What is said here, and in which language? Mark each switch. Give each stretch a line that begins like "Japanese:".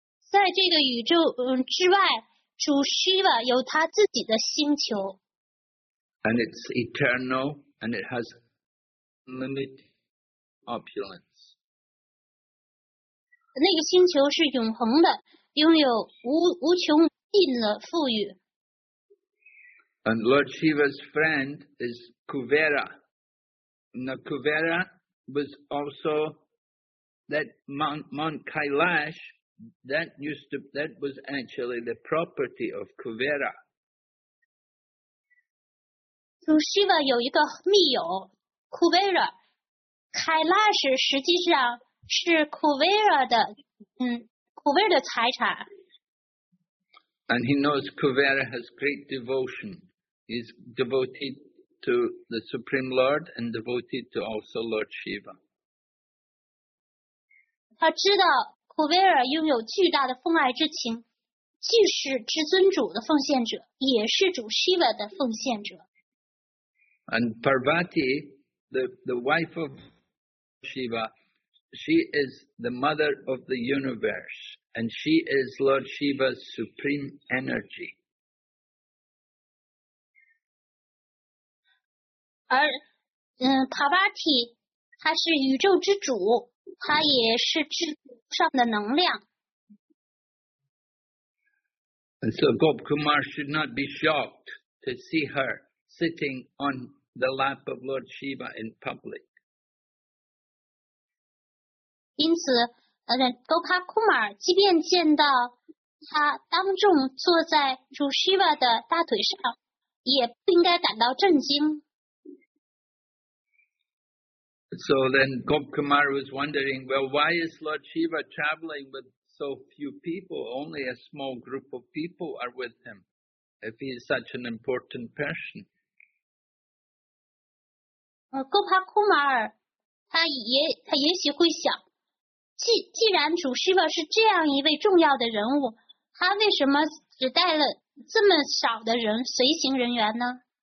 Chinese: 在这个宇宙之外，主 Shiva 有他自己的星球。
English: And it's eternal, and it has unlimited opulence.
Chinese: 那个星球是永恒的，拥有 无穷尽的富裕。
English: And Lord Shiva's friend is Kuvera. Now Kuvera was also that Mount Kailash, that was actually the property of Kuvera.
Chinese: So Shiva 有一个密友 Kuvera， Kailash 实际上是 Kuvera 的Kuvera 的财产。
English: And he knows Kuvera has great devotion. Is devoted to the Supreme Lord and devoted to also Lord Shiva.
Chinese: 他知道库维尔拥有巨大的奉爱之情，既是至尊主的奉献者，也是主 Shiva 的奉献者。
English: And Parvati, the wife of Shiva, she is the mother of the universe, and she is Lord Shiva's supreme energy.
Chinese: 而Parvati 他是宇宙之主，他也是至上的能量。
English: And so Gop Kumar should not be shocked to see her sitting on the lap of Lord Shiva in public.
Chinese: 因此，高帕库马即便见到他当众坐在主 Shiva 的大腿上，也不应该感到震惊。
English: So then Gopkumar was wondering, well, why is Lord Shiva traveling with so few people? Only a small group of people are with him, if he is such an important person.
Chinese: Gopkumar, 他也许会想，既然主 Shiva 是这样一位重要的人物，他为什么只带了这么少的人，随行人员呢？